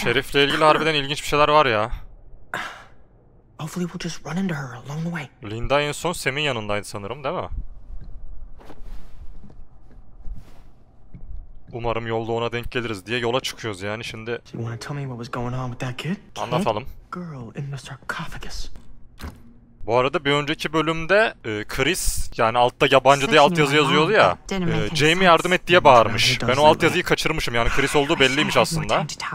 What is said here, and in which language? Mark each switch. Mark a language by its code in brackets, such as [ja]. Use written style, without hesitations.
[tr] Şerif'le ilgili harbiden ilginç bir şeyler var ya. [en] Hopefully we'll just run into her along the way. [tr] Linda en son Sam'in yanındaydı sanırım, değil mi? Umarım yolda ona denk geliriz diye yola çıkıyoruz yani şimdi. [en] You wanna tell me what was going on with that kid? [tr] Anlatalım. [en] Girl in the sarcophagus. [tr] Bu arada bir önceki bölümde Chris, yani altta yabancı diye altyazı yazıyordu ya, Jamie yardım et diye bağırmış. Ben o altyazıyı kaçırmışım, yani Chris olduğu belliymiş aslında.